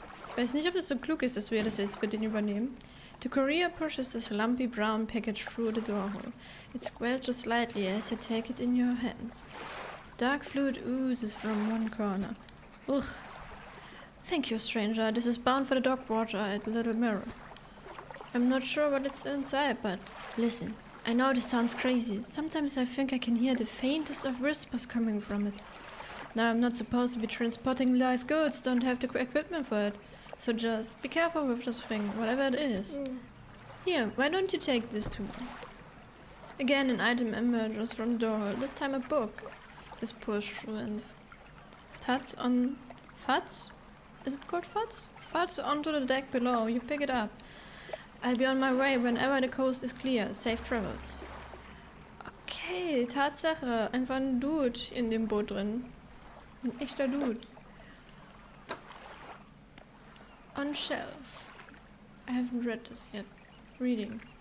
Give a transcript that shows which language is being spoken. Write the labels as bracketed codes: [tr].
[de] Ich weiß nicht, ob das so klug ist, dass wir das jetzt für den übernehmen. [en] The courier pushes this lumpy brown package through the doorhole. It squelches slightly as you take it in your hands. Dark fluid oozes from one corner. Ugh. Thank you, stranger. This is bound for the dark water at Little Mirror. I'm not sure what it's inside, but listen. I know this sounds crazy. Sometimes I think I can hear the faintest of whispers coming from it. Now I'm not supposed to be transporting live goods, don't have the equipment for it. So just be careful with this thing, whatever it is. Mm. Here, why don't you take this to me? Again, an item emerges from the doorhole. This time a book is pushed through and tats on fats? Is it called fats? Fats onto the deck below, you pick it up. I'll be on my way whenever the coast is clear. Safe travels. [de] Okay, Tatsache, einfach ein Dude in dem Boot drin. Ein echter Dude. [en] On shelf. I haven't read this yet. Reading.